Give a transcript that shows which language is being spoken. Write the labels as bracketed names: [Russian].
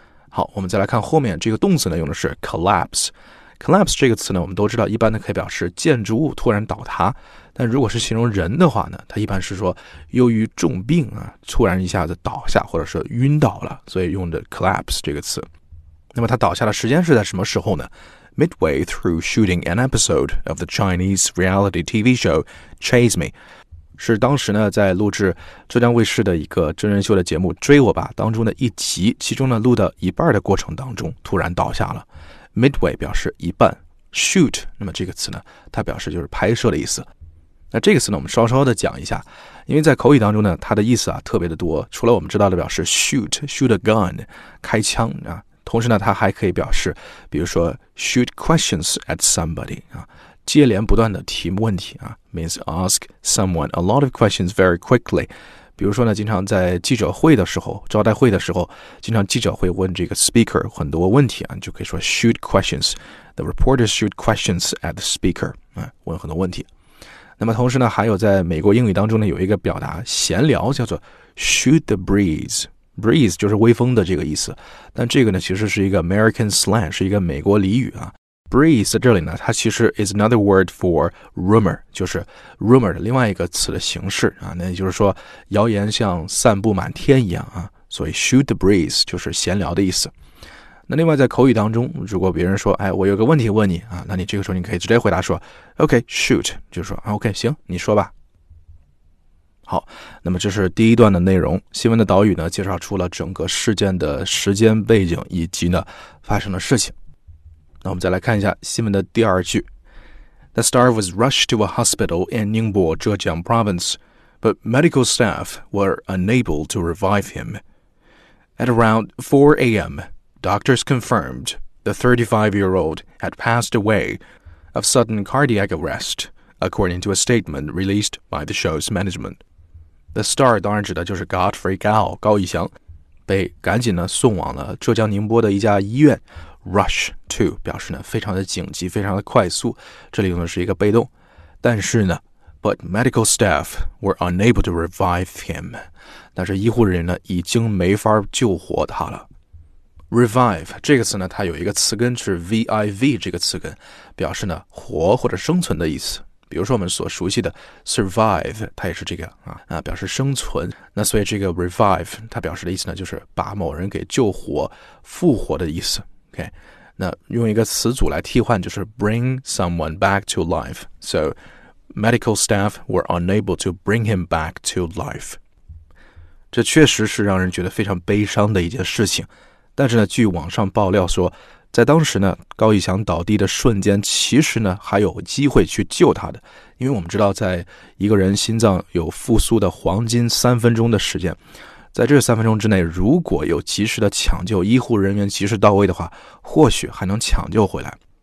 [Chinese] 好，我们再来看后面这个动词呢，用的是 collapse。Collapse 这个词呢，我们都知道，一般呢可以表示建筑物突然倒塌，但如果是形容人的话呢，它一般是说由于重病啊，突然一下子倒下，或者是晕倒了，所以用的 collapse 这个词。那么它倒下的时间是在什么时候呢 [English] ？Midway through shooting an episode of the Chinese reality TV show Chase Me， [Chinese] 是当时呢在录制浙江卫视的一个真人秀的节目《追我吧》当中的一集，其中呢录到一半的过程当中突然倒下了。 Midway 表示一半 ，shoot 那么这个词呢，它表示就是拍摄的意思。那这个词呢，我们稍稍的讲一下，因为在口语当中呢，它的意思啊特别的多。除了我们知道的表示 [English] shoot a gun [Chinese] 开枪啊，同时呢，它还可以表示，比如说 [English] shoot questions at somebody [Chinese] 啊，接连不断的提问题啊 ， [English] means ask someone a lot of questions very quickly。 [Chinese] 比如说呢，经常在记者会的时候，招待会的时候，经常记者会问这个 speaker 很多问题啊，你就可以说 [English] shoot questions. The reporter shoot questions at the speaker. [Chinese] 问很多问题。那么同时呢，还有在美国英语当中呢，有一个表达闲聊叫做 [English] shoot the breeze. [Chinese] Breeze 就是微风的这个意思。但这个呢，其实是一个 [English] American slang, [Chinese] 是一个美国俚语啊。 breeze 在这里呢，它其实 [English] is another word for rumor， [Chinese] 就是 rumor 的另外一个词的形式啊。那也就是说，谣言像散布满天一样啊。所以 [English] shoot the breeze [Chinese] 就是闲聊的意思。那另外在口语当中，如果别人说，哎，我有个问题问你啊，那你这个时候你可以直接回答说 ， [English] OK shoot， [Chinese] 就是说 OK 行，你说吧。好，那么这是第一段的内容。新闻的导语呢，介绍出了整个事件的时间背景以及呢发生的事情。那我们再来看一下新闻的第二句 [English] ：The star was rushed to a hospital in Ningbo, Zhejiang Province, but medical staff were unable to revive him. At around 4 a.m., doctors confirmed the 35-year-old had passed away of sudden cardiac arrest, according to a statement released by the show's management. [Chinese] The star 当然指的就是 Godfrey Gao 高以翔，被赶紧呢送往了浙江宁波的一家医院。 Rush to 表示呢非常的紧急，非常的快速。这里用的是一个被动，但是呢 ， [English] but medical staff were unable to revive him， [Chinese] 但是医护人员呢已经没法救活他了。 Revive 这个词呢，它有一个词根是 viv 这个词根，表示呢活或者生存的意思。比如说我们所熟悉的 survive， 它也是这个啊表示生存。那所以这个 revive 它表示的意思呢，就是把某人给救活、复活的意思。 OK， 那用一个词组来替换，就是 [English] bring someone back to life。 So medical staff were unable to bring him back to life。 [Chinese] 这确实是让人觉得非常悲伤的一件事情。但是呢，据网上爆料说。在当时呢，高以翔倒地的瞬间，其实呢还有机会去救他的，因为我们知道，在一个人心脏有复苏的黄金三分钟的时间，在这三分钟之内，如果有及时的抢救，医护人员及时到位的话，或许还能抢救回来。